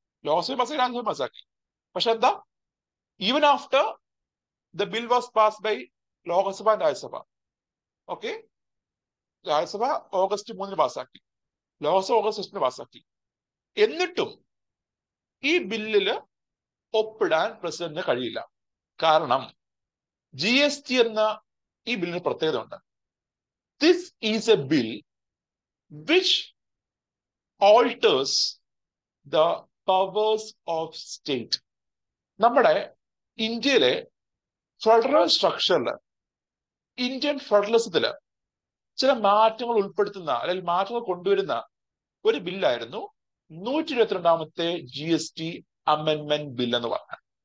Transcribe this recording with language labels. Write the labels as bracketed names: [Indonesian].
[Malayalam] ലോക്സഭ പാസ്സാക്കി, രാജ്യസഭ പാസ്സാക്കി, പക്ഷെ എന്താ, [English] even after the bill was pass by Lok Sabha and Rajya Sabha, [Malayalam] okay, Rajya Sabha August 3 പാസ്സാക്കി, ലോക്സഭ ഓഗസ്റ്റ് 6 പാസ്സാക്കി, എന്നിട്ടും ഈ ബില്ലില് ഒപ്പിടാൻ പ്രസിഡന്റിന് കഴിയില്ല. കാരണം GST എന്ന ഈ ബില്ലിന് പ്രത്യേകത ഉണ്ട്, [English] This is a bill which alters the powers of state. [Malayalam] നമ്മുടെ ഇന്ത്യയിലെ ഫെഡറൽ സ്ട്രക്ചറിൽ ഇന്ത്യൻ ഫെഡറലിസത്തില് ചില മാറ്റങ്ങൾ ഉൾപ്പെടുത്തുന്ന അല്ലെങ്കിൽ മാറ്റങ്ങൾ കൊണ്ടുവരുന്ന ഒരു ബില്ലായിരുന്നു 122-ാമത്തെ ജി എസ് ടി അമെൻമെന്റ് ബിൽ എന്ന് പറഞ്ഞത്.